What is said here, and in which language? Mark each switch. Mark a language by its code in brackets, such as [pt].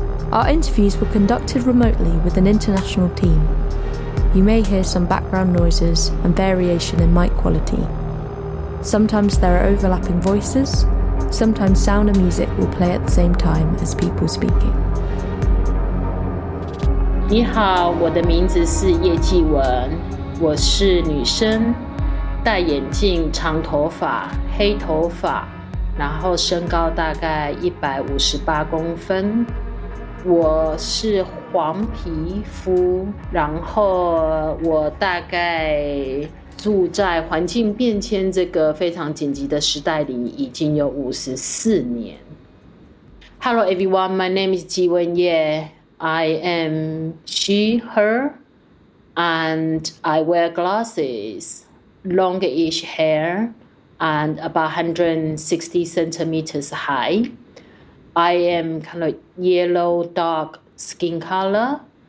[en] Our interviews were conducted remotely with an international team. You may hear some background noises and variation in mic quality. Sometimes there are overlapping voices, sometimes sound and music will play at the same time as people speaking. [zh] 你好，我的名字是叶继文，我是女生，戴眼镜，长头发，黑头发，然后身高大概158公分。我是黄皮肤，然后我大概住在环境变迁这个非常紧急的时代里已经有54年。 [en] Hello everyone, my name is Jih-Wen Yeh. I am she, her, and I wear glasses, longish hair, and about 160 centimeters high. I am kind of yellow dark skin color.